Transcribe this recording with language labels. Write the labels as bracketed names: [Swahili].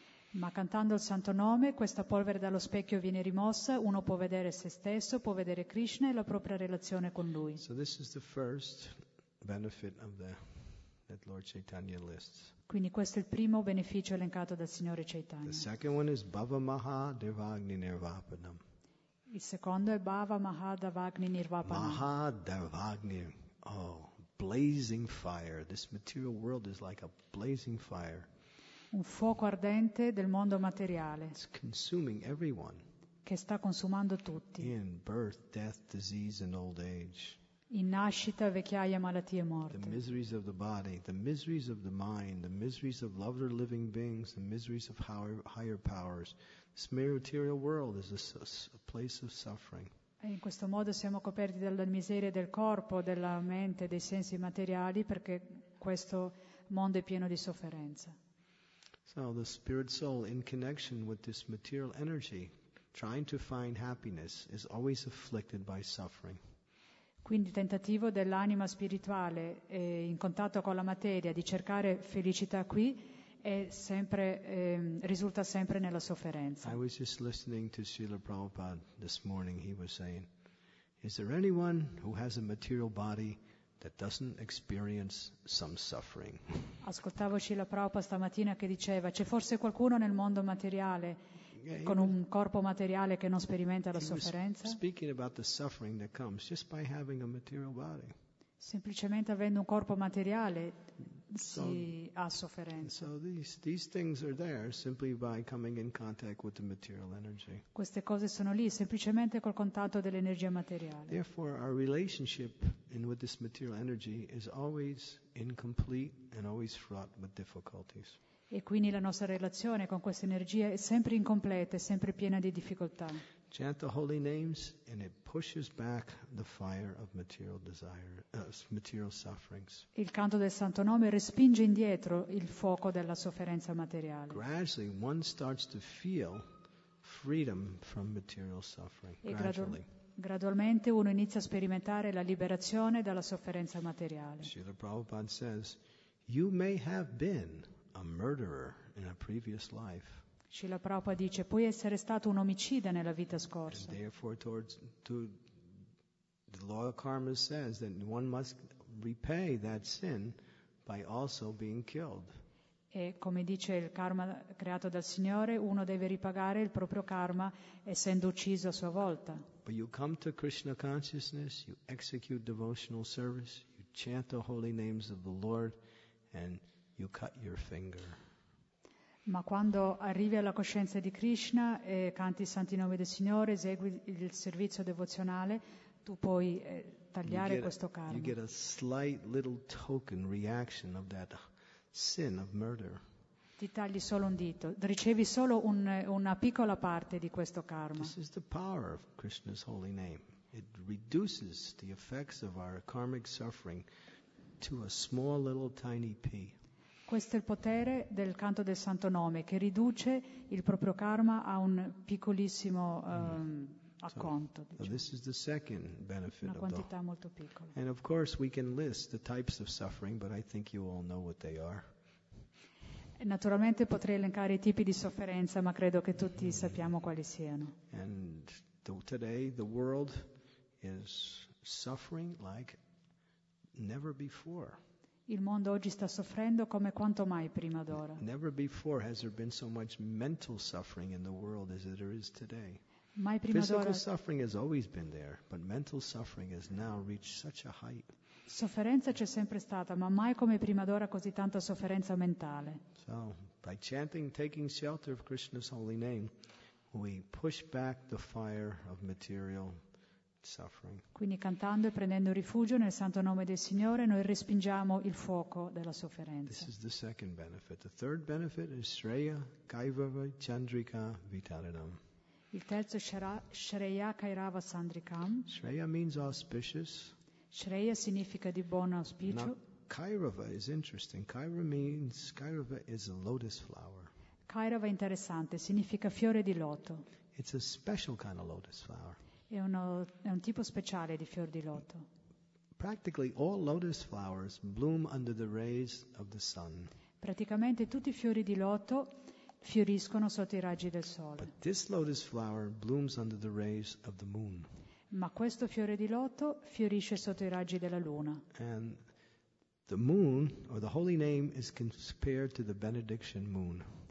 [Italian] Ma cantando il santo nome, questa polvere dallo specchio viene rimossa, uno può vedere se stesso, può vedere Krishna e la propria relazione con lui. [English] So this is the first benefit of the that Lord Chaitanya lists. [Italian] Quindi questo è il primo beneficio elencato dal Signore Chaitanya. [English] The second one is Bhava Maha Devagni Nirvapanam. [Italian] Il secondo è Bhava Maha Devagni Nirvapanam. [English] Maha Devagni, oh, blazing fire. This material world is like a blazing fire. [Italian] Un fuoco ardente del mondo materiale. [English] It's consuming everyone. [Italian] Che sta consumando tutti. [English] In birth, death, disease and old age. [Italian] In nascita, vecchiaia, malattie e morte. [English] The miseries of the body, the miseries of the mind, the miseries of loved or living beings, the miseries of higher powers. This material world is a place of suffering. [Italian] E in questo modo siamo coperti dalla miseria del corpo, della mente, dei sensi materiali, perché questo mondo è pieno di sofferenza. [English] So the spirit soul, in connection with this material energy, trying to find happiness, is always afflicted by suffering. [Italian] Quindi il tentativo dell'anima spirituale in contatto con la materia di cercare felicità qui è sempre, risulta sempre nella sofferenza. [English] I was just listening to Srila Prabhupada this morning. He was saying, is there anyone who has a material body that doesn't experience some suffering? [Italian] Ascoltavo Srila Prabhupada stamattina che diceva, c'è forse qualcuno nel mondo materiale con un corpo materiale che non sperimenta la sofferenza? [English] Speaking about the suffering that comes just by having a material body. [Italian] Semplicemente avendo un corpo materiale si ha sofferenza. [English] So these things are there simply by coming in contact with the material energy. [Italian] Queste cose sono lì semplicemente col contatto dell'energia materiale. [English] Therefore our relationship in with this material energy is always incomplete and always fraught with difficulties. [Italian] E quindi la nostra relazione con questa energia è sempre incompleta, è sempre piena di difficoltà. [English] Chant the holy names and it pushes back the fire of material desire, material sufferings. [Italian] Il canto del santo nome respinge indietro il fuoco della sofferenza materiale. [English] Gradually one starts to feel freedom from material suffering. Gradually. [Italian] Gradualmente uno inizia a sperimentare la liberazione dalla sofferenza materiale. [English] Srila Prabhupada says, you may have been a murderer in a previous life. [Italian] Srila Prabhupada dice, puoi essere stato un omicida nella vita scorsa. [English] And therefore, the law of karma says that one must repay that sin by also being killed. [Italian] E come dice il karma creato dal Signore, uno deve ripagare il proprio karma essendo ucciso a sua volta. [English] But you come to Krishna consciousness, you execute devotional service, you chant the holy names of the Lord, and you cut your finger. [Italian] Ma quando arrivi alla coscienza di Krishna e canti i santi nomi del Signore, esegui il servizio devozionale, tu puoi tagliare questo karma. [English] You get a slight little token reaction of that sin of murder. [Italian] Ti tagli solo un dito, ricevi solo una piccola parte di questo karma. [English] This is the power of Krishna's holy name. It reduces the effects of our karmic suffering to a small little tiny pea. [Italian] Questo è il potere del canto del santo nome che riduce il proprio karma a un piccolissimo acconto. [English] So this is the second benefit. [Italian] Una quantità molto piccola. [English] And of course we can list the types of suffering, but I think you all know what they are. [Italian] Naturalmente potrei elencare i tipi di sofferenza, ma credo che tutti sappiamo quali siano. [English] And today the world is suffering like never before. [Italian] Il mondo oggi sta soffrendo come quanto mai prima d'ora. [English] Never before has there been so much mental suffering in the world as there is today. [Italian] Mai prima [English] physical [Italian] d'ora. [English] Suffering has always been there, but mental suffering has now reached such a height. [Italian] Sofferenza c'è sempre stata, ma mai come prima d'ora così tanta sofferenza mentale. [English] So, by chanting, taking shelter of Krishna's holy name, we push back the fire of material suffering. [Italian] Quindi cantando e prendendo rifugio nel santo nome del Signore, noi respingiamo il fuoco della sofferenza. [English] This is the second benefit. The third benefit is Shreya Kaivava Chandrika Vitaranam. [Italian] Il terzo Shreya Kairava Sandrikam. [English] Shreya means auspicious. [Italian] Shreya significa di buon auspicio. [English] Now, Kairava is interesting. Kairava is a lotus flower. [Italian] Kairava è interessante, significa fiore di loto. [English] It's a special kind of lotus flower. [Italian] È un tipo speciale di fior di loto. [English] Practically all lotus flowers bloom under the rays of the sun. [Italian] Praticamente tutti i fiori di loto fioriscono sotto i raggi del sole. [English] But this lotus flower blooms under the rays of the moon. [Italian] Ma questo fiore di loto fiorisce sotto i raggi della luna. [English] And the moon, or the holy name, is compared to the benediction moon.